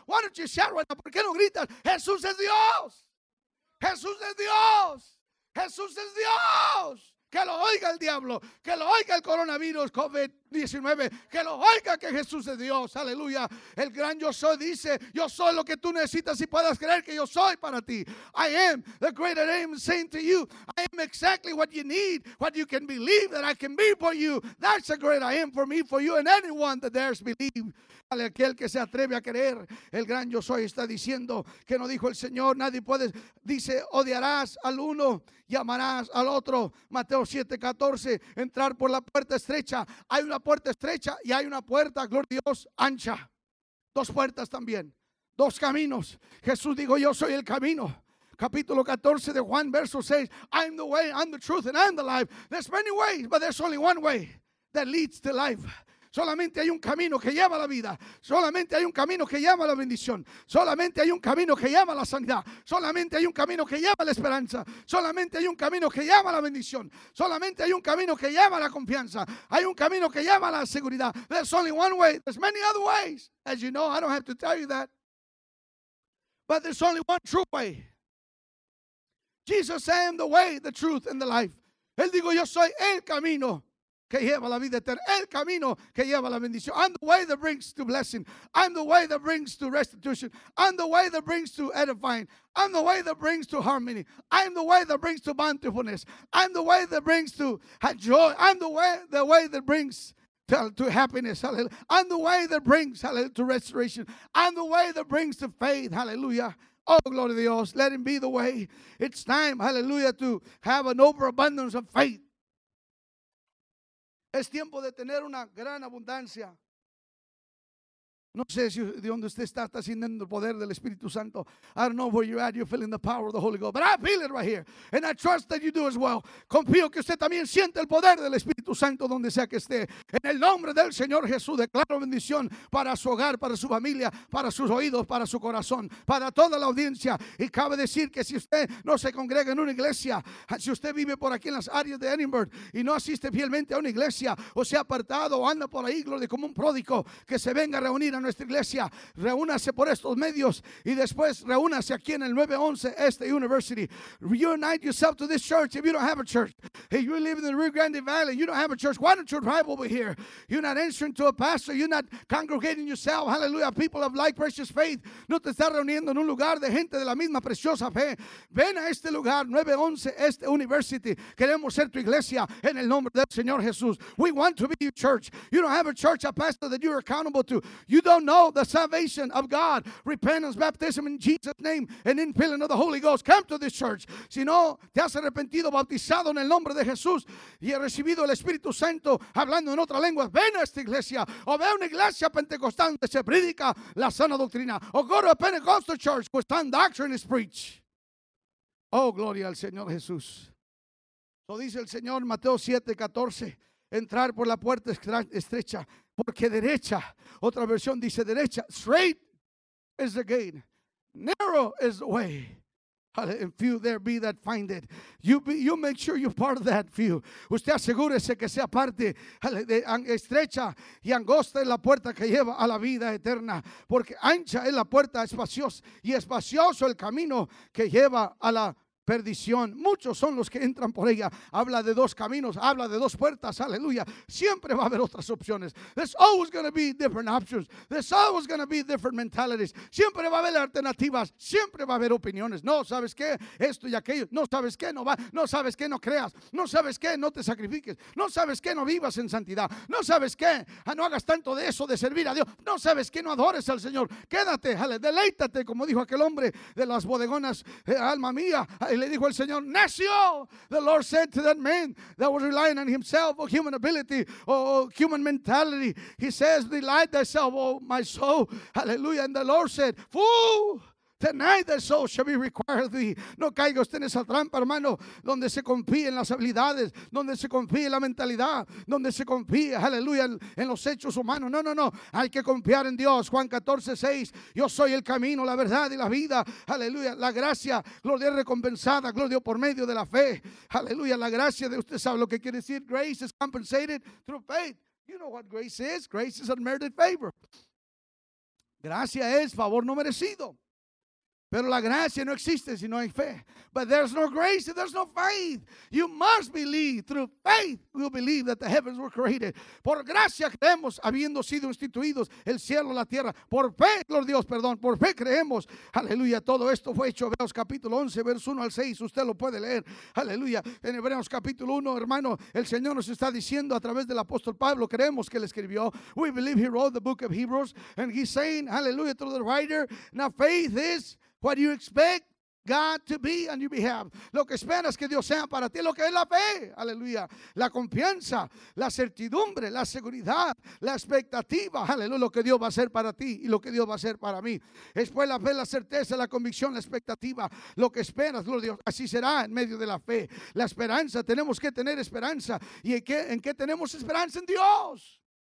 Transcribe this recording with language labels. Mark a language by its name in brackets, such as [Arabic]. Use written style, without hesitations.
[English] Why don't you shout right now? [Spanish] ¿Por qué no gritas? Jesús es Dios. Jesús es Dios. Jesús es Dios. Que lo oiga el diablo. Que lo oiga el coronavirus, COVID-19. Que lo oiga que Jesús es Dios. Aleluya. El gran yo soy dice, yo soy lo que tú necesitas y puedas creer que yo soy para ti. [English] I am the greater I am saying to you. I am exactly what you need. What you can believe that I can be for you. That's a great I am for me, for you, and anyone that dares believe. [Spanish] Aquel que se atreve a creer, el gran yo soy está diciendo que no dijo el Señor, nadie puede, dice, odiarás al uno y amarás al otro. Mateo 7:14, entrar por la puerta estrecha. Hay una puerta estrecha y hay una puerta, gloria a Dios, ancha. Dos puertas también, dos caminos. Jesús dijo, yo soy el camino. Capítulo 14 de Juan, verso 6, [English] I'm the way, I'm the truth, and I'm the life. There's many ways, but there's only one way that leads to life. [Spanish] Solamente hay un camino que lleva a la vida. Solamente hay un camino que lleva a la bendición. Solamente hay un camino que lleva a la sanidad. Solamente hay un camino que lleva a la esperanza. Solamente hay un camino que lleva a la bendición. Solamente hay un camino que lleva a la confianza. Hay un camino que lleva a la seguridad. [English] There's only one way. There's many other ways. As you know, I don't have to tell you that. But there's only one true way. Jesus said, I am the way, the truth, and the life. [Spanish] Él dijo, yo soy el camino que lleva la vida eterna. El camino que lleva la bendición. [English] I'm the way that brings to blessing. I'm the way that brings to restitution. I'm the way that brings to edifying. I'm the way that brings to harmony. I'm the way that brings to bountifulness. I'm the way that brings to joy. I'm the way that brings to happiness. Hallelujah. I'm the way that brings, hallelujah, to restoration. I'm the way that brings to faith. Hallelujah. Oh, glory to Dios. Let him be the way. It's time, hallelujah, to have an overabundance of faith. [Spanish] Es tiempo de tener una gran abundancia. No sé si de donde usted está sintiendo el poder del Espíritu Santo. [English] I don't know where you're at. You're feeling the power of the Holy Ghost. But I feel it right here. And I trust that you do as well. [Spanish] Confío que usted también siente el poder del Espíritu Santo donde sea que esté. En el nombre del Señor Jesús, declaro bendición para su hogar, para su familia, para sus oídos, para su corazón, para toda la audiencia. Y cabe decir que si usted no se congrega en una iglesia, si usted vive por aquí en las áreas de Edinburgh y no asiste fielmente a una iglesia, o se ha apartado o anda por ahí, gloria, como un pródigo, que se venga a reunir a nuestra iglesia, reúnase por estos medios y después reúnase aquí en el 911 este University. [English] Reunite yourself to this church if you don't have a church. If you live in the Rio Grande Valley, you don't have a church, why don't you drive over here? You're not answering to a pastor, you're not congregating yourself, hallelujah, people of like precious faith. [Spanish] No te estás reuniendo en un lugar de gente de la misma preciosa fe. Ven a este lugar, 911 este University. Queremos ser tu iglesia en el nombre del Señor Jesús. [English] We want to be your church. You don't have a church, a pastor that you're accountable to. You don't know the salvation of God. Repentance, baptism in Jesus' name and infilling of the Holy Ghost. Come to this church. [Spanish] Si no te has arrepentido, bautizado en el nombre de Jesús y has recibido el Espíritu Santo hablando en otra lengua, ven a esta iglesia o ve a una iglesia pentecostal donde se predica la sana doctrina. [English] O go to a Pentecostal church where sound doctrine is preached. [Spanish] Oh, gloria al Señor Jesús. Lo dice el Señor, Mateo 7:14. Entrar por la puerta estrecha. Porque derecha, otra versión dice derecha, [English] straight is the gate, narrow is the way, and few there be that find it. You make sure you're part of that few. [Spanish] Usted asegúrese que sea parte de estrecha y angosta es la puerta que lleva a la vida eterna. Porque ancha es la puerta, espaciosa y espacioso el camino que lleva a la perdición. Muchos son los que entran por ella. Habla de dos caminos, habla de dos puertas. Aleluya. Siempre va a haber otras opciones. [English] There's always going to be different options. There's always going to be different mentalities. [Spanish] Siempre va a haber alternativas. Siempre va a haber opiniones. No sabes qué, esto y aquello. No sabes qué, no va. No sabes qué, no creas. No sabes qué, no te sacrifiques. No sabes qué, no vivas en santidad. No sabes qué, no hagas tanto de eso, de servir a Dios. No sabes qué, no adores al Señor. Quédate, aleluya. Deleítate, como dijo aquel hombre de las bodegonas, alma mía. Y le dijo el Señor, necio. [English] The Lord said to that man that was relying on himself or human ability or human mentality. He says, delight thyself, oh my soul. Hallelujah. And the Lord said, fool. Tonight the soul shall be required of thee. [Spanish] No caiga usted en esa trampa, hermano, donde se confía en las habilidades, donde se confía en la mentalidad, donde se confía, aleluya, en los hechos humanos. No, no, no, hay que confiar en Dios. Juan 14:6, yo soy el camino, la verdad y la vida, aleluya. La gracia, gloria, recompensada, gloria, por medio de la fe, aleluya. La gracia de usted sabe lo que quiere decir. [English] Grace is compensated through faith. You know what grace is. Grace is unmerited favor. [Spanish] Gracia es favor no merecido. Pero la gracia no existe si no hay fe. [English] But there's no grace if there's no faith. You must believe. Through faith we'll believe that the heavens were created. [Spanish] Por gracia creemos, habiendo sido instituidos el cielo, la tierra. Por fe, gloria Dios, perdón. Por fe creemos. Aleluya, todo esto fue hecho. Hebreos capítulo 11, verso 1 al 6. Usted lo puede leer. Aleluya. En Hebreos capítulo 1, hermano, el Señor nos está diciendo a través del apóstol Pablo. Creemos que él escribió. [English] We believe he wrote the book of Hebrews. And he's saying, aleluya, through the writer. Now faith is what you expect God to be on your behalf. [Spanish] Lo que esperas que Dios sea para ti, lo que es la fe, aleluya. La confianza, la certidumbre, la seguridad, la expectativa, aleluya, lo que Dios va a hacer para ti y lo que Dios va a hacer para mí. Después la fe, la certeza, la convicción, la expectativa, lo que esperas, gloria a Dios. Así será en medio de la fe. La esperanza, tenemos que tener esperanza. ¿Y en qué tenemos esperanza? En Dios.